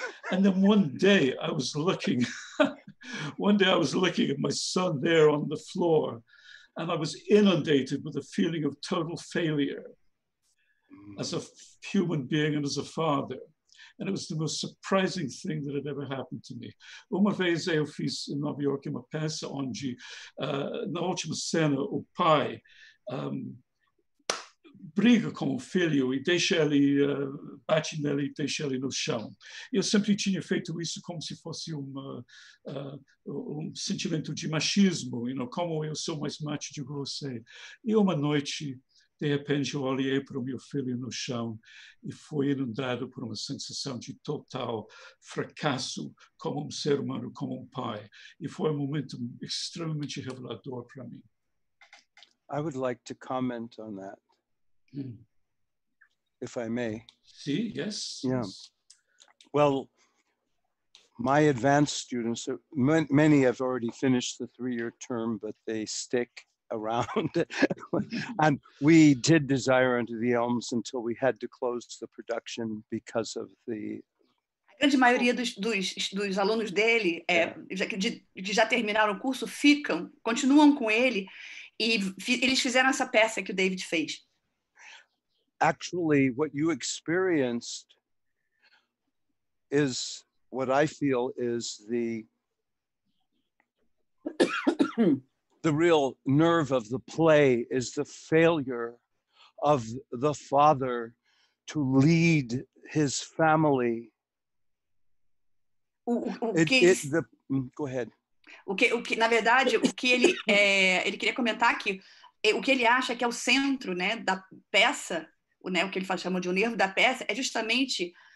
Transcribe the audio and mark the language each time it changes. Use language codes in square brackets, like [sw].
[en] And then one day I was looking at my son there on the floor, and I was inundated with a feeling of total failure as a human being and as a father. And it was the most surprising thing that had ever happened to me. [pt] Uma vez eu fiz em Nova York uma peça onde, na última cena, o pai briga com o filho e deixa ele, bate nele e deixa ele no chão. Eu sempre tinha feito isso como se fosse um sentimento de machismo, [en] you know, [pt] como eu sou mais macho do que você. E uma noite, de repente, eu olhei para o meu filho no chão e fui inundado por uma sensação de total fracasso como um ser humano, como um pai. E foi um momento extremamente revelador para mim. [en] I would like to comment on that, if I may. [pt] Sim, [es] sí, [en] yes. Yeah. Well, my advanced students, many have already finished the 3-year term, but they stick around. And we did Desire Under the Elms until we had to close the production because of the... [pt] A grande maioria dos alunos dele, já terminaram o curso, continuam com ele, e eles fizeram essa peça que o David fez. [en] Actually, what you experienced is what I feel is the... The real nerve of the play is the failure of the father to lead his family. [pt] Na verdade, o que ele ele queria comentar que o que ele acha que é o centro, né, da peça, né, o que ele chama de o nervo da peça, é justamente